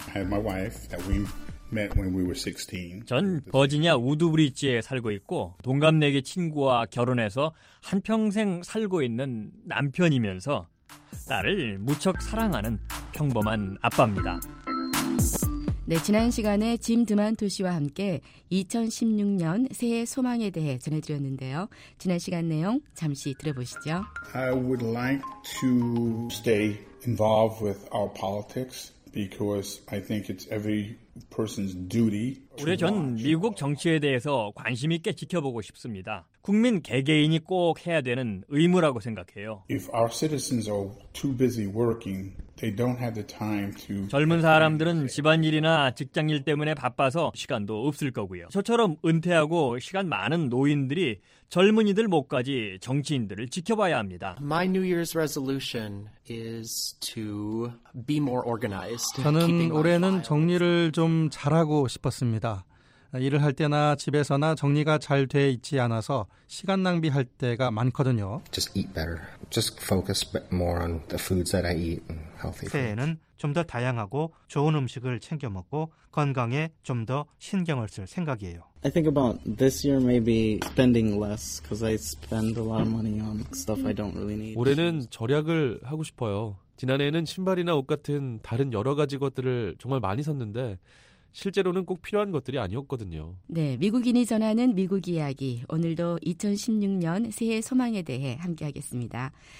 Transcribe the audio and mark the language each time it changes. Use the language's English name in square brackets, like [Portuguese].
[English] I have my wife that we met when we were 16. [Korean] 전 버지니아 우드브리지에 살고 있고 동갑내기 친구와 결혼해서 한평생 살고 있는 남편이면서 딸을 무척 사랑하는 평범한 아빠입니다. 네, 지난 시간에 짐 드만투 씨와 함께 2016년 새해 소망에 대해 전해드렸는데요. 지난 시간 내용 잠시 들어보시죠. [English] I would like to stay involved with our politics because I think it's every person's duty. [Korean] 올해 전 미국 정치에 대해서 관심 있게 지켜보고 싶습니다. 국민 개개인이 꼭 해야 되는 의무라고 생각해요. [English] If our citizens are too busy working, they don't have the time to [Korean] 젊은 사람들은 집안일이나 직장일 때문에 바빠서 시간도 없을 거고요. 저처럼 은퇴하고 시간 많은 노인들이 젊은이들 몫까지 정치인들을 지켜봐야 합니다. [English] My New Year's resolution is to be more organized. [Korean] 저는 올해는 정리를 좀 잘하고 싶었습니다. 일을 할 때나 집에서나 정리가 잘 돼 있지 않아서 시간 낭비할 때가 많거든요. [English] Just eat better. Just focus more on the foods that I eat and healthy. [Korean] 새해에는 좀 더 다양하고 좋은 음식을 챙겨 먹고 건강에 좀 더 신경을 쓸 생각이에요. [English] I think about this year maybe spending less because I spend a lot of money on stuff I don't really need. [Korean] 올해는 절약을 하고 싶어요. 지난해에는 신발이나 옷 같은 다른 여러 가지 것들을 정말 많이 샀는데 실제로는 꼭 필요한 것들이 아니었거든요. 네, 미국인이 전하는 미국 이야기. 오늘도 2016년 새해 소망에 대해 함께하겠습니다.